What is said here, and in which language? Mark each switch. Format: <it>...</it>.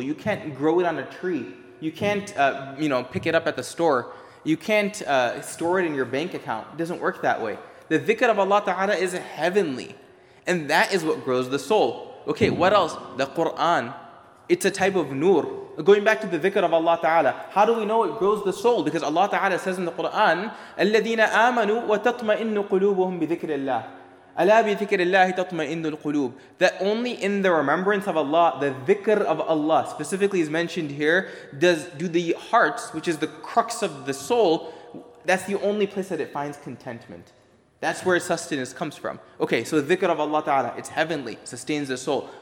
<en>You can't grow it on a tree. You can't pick it up at the store. You can't store it in your bank account. It doesn't work that way. The dhikr of Allah Ta'ala is heavenly. And that is what grows the soul. Okay, what else? The Quran. It's a type of nur. Going back to the dhikr of Allah Ta'ala, how do we know it grows the soul? Because Allah Ta'ala says in the Quran,</en> <ar>الَّذِينَ آمَنُوا وَتَطْمَئِنُّ قُلُوبُهُمْ بِذِكْرِ اللَّهِ أَلَا بِذِكْرِ اللَّهِ تَطْمَئِنُّ الْقُلُوبُ.</ar> <en>That only in the remembrance of Allah, the dhikr of Allah, specifically is mentioned here, do the hearts, which is the crux of the soul, that's the only place that it finds contentment. That's where sustenance comes from. Okay, so the dhikr of Allah Ta'ala, it's heavenly, sustains the soul.</en>